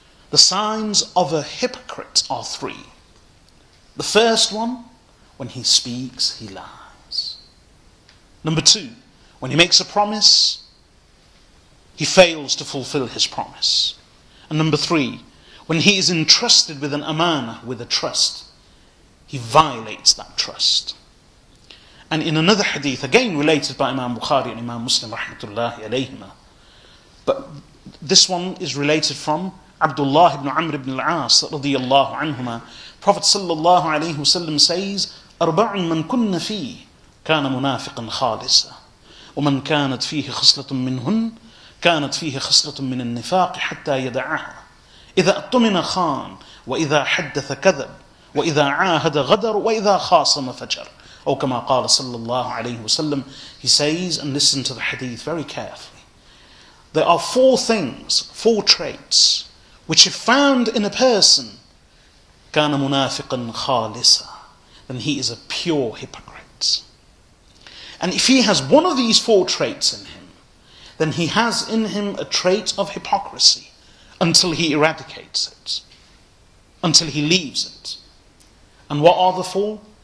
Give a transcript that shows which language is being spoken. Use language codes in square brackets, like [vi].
[en] The signs of a hypocrite are three. The first one, when he speaks, he lies. Number two, when he makes a promise, he fails to fulfill his promise. And number three, when he is entrusted with an amanah, with a trust, he violates that trust. And in another hadith, again related by Imam Bukhari and Imam Muslim, rahmatullahi alayhima, but this one is related from Abdullah ibn Amr ibn al-As, radiyallahu anhuma, Prophet sallallahu alayhi wasallam says, [ar] أَرْبَعٌ مَنْ كُنَّ فِيهِ كَانَ مُنَافِقًا خَالِصًا وَمَنْ كَانَتْ فِيهِ خَصْلَةٌ مِّنْهُنْ كانت فيه خصلة من النفاق حتى يدعها إذا اؤتمن خان وإذا حدث كذب وإذا عاهد غدر وإذا خاصم فجر أو كما قال صلى الله عليه وسلم. [en] He says, and listen to the hadith very carefully, there are four things, four traits, which if found in a person, [ar] كان منافقا خالصا, [en] then he is a pure hypocrite. And if he has one of these four traits in him, then he has in him a trait of hypocrisy until he eradicates it, until he leaves it. And what are the four?